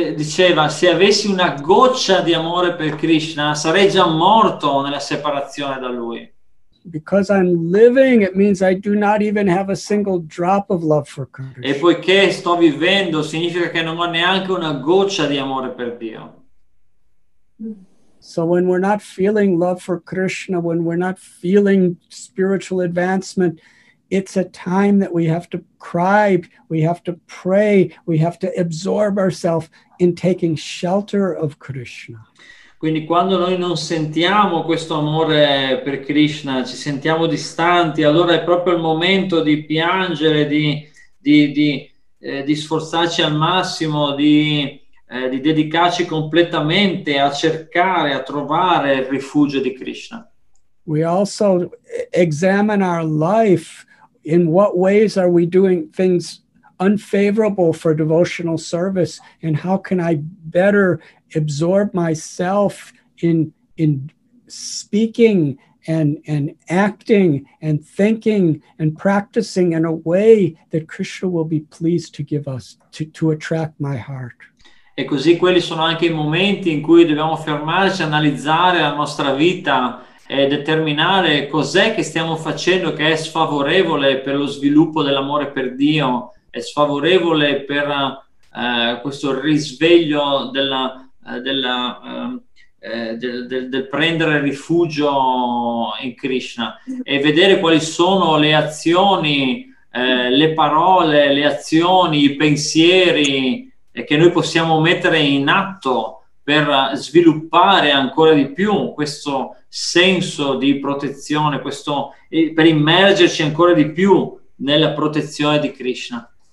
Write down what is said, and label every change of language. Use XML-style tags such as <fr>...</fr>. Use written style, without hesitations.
<it>Se avessi una goccia di amore per Krishna, sarei già morto nella separazione da lui.</it> <en>Because I'm living, it means I do not even have a single drop of love for Krishna.</en> <it>E poiché sto vivendo, significa che non ho neanche una goccia di amore per Dio.</it> <en>So when we're not feeling love for Krishna, when we're not feeling spiritual advancement, it's a time that we have to cry, we have to pray, we have to absorb ourselves in taking shelter of Krishna.</en> <it>Quindi quando noi non sentiamo questo amore per Krishna, ci sentiamo distanti, allora è proprio il momento di piangere, di sforzarci al massimo, di dedicarci completamente a cercare, a trovare il rifugio di Krishna.</it> <en>We also examine our life. In what ways are we doing things unfavorable for devotional service, and how can I better absorb myself in speaking and acting and thinking and practicing in a way that Krishna will be pleased to give us to attract my heart.</en> <it>E così quelli sono anche i momenti in cui dobbiamo fermarci, analizzare la nostra vita e determinare cos'è che stiamo facendo che è sfavorevole per lo sviluppo dell'amore per Dio, è sfavorevole per questo risveglio del prendere rifugio in Krishna, e vedere quali sono le azioni, le parole, le azioni, i pensieri che noi possiamo mettere in atto per sviluppare ancora di più questo senso di protezione, questo per immergerci ancora di più nella protezione di Krishna.</it>